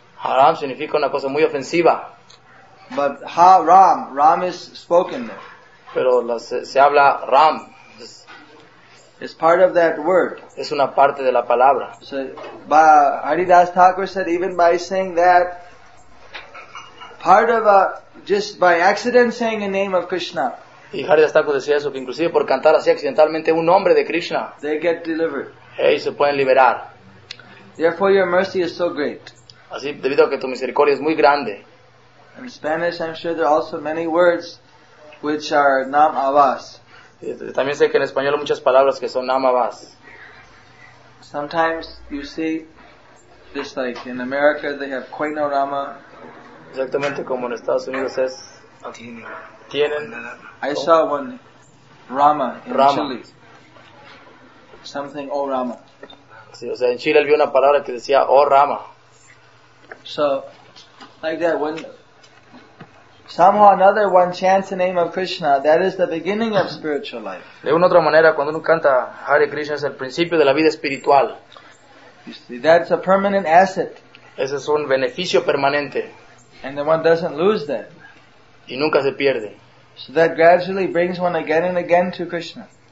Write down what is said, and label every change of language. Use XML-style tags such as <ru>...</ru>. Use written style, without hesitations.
<es>Haram significa una cosa muy ofensiva.</es> <en>But haram, ram is spoken there.</en> <es>Pero se habla ram.</es> <en>It's part of that word.</en> <es>Es una parte de la palabra.</es> <en>So, Haridas Thakur said, even by saying that, part of just by accident saying a name of Krishna.</en> <es>Y Haridas Thakur decía eso, que inclusive por cantar así accidentalmente un nombre de Krishna,</es> <en>they get delivered.</en> <es>Ellos se pueden liberar.</es> <en>Therefore your mercy is so great.</en> <es>Así, debido a que tu misericordia es muy grande.</es> <en>In Spanish, I'm sure there are also many words which are Naam Abbas.</en> <es>También sé que en español hay muchas palabras que son Naam Abbas.</es> <en>Sometimes you see, just like in America, they have Queen Rama.</en> <es>Exactamente como en Estados Unidos es. Tienen.</es> <en>I saw one Rama in Chile. Something Oh Rama.</en> <es>Sí, o sea, en Chile él vio una palabra que decía Oh Rama.</es> <en>So, like that, when somehow another one chants the name of Krishna, that is the beginning of spiritual life.</en> <es>De una otra manera, cuando uno canta Hare Krishna, es el principio de la vida espiritual.</es> <en>You see, that's a permanent asset.</en> <es>Ese es un beneficio permanente.</es> <en>And then one doesn't lose that.</en> <es>Y nunca se pierde.</es> <en>So that gradually brings one again and again to Krishna.</en>